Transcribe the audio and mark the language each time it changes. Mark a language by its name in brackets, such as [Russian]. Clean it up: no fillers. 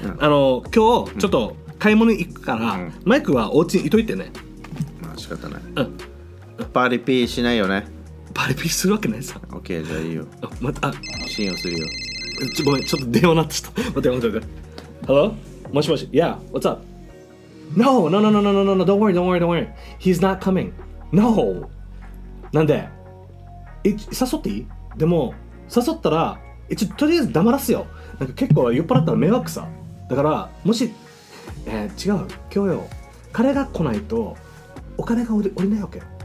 [Japanese] あの、今日ちょっと買い物行くから、マイクはお家にいといてね。仕方ない、うん、パリピーしないよね。パリピーするわけないさ。オッケー、じゃあいいよ。あ、また信用するよ。ちょ、ごめん、ちょっと電話なってちょっと待って待って待って。 [English] ハロー、 [Japanese] もしもし、 [English] Yeah, what's up? No, no, no, no, no, no, no, no, no, don't worry, don't worry, don't worry. He's not coming. No. [Japanese] なんで？え、誘っていい？でも、誘ったら、え、ちょ、とりあえず黙らすよ。なんか結構酔っ払ったら迷惑さ。だから、もし、違う、今日よ、彼が来ないとお金が降りないわけ。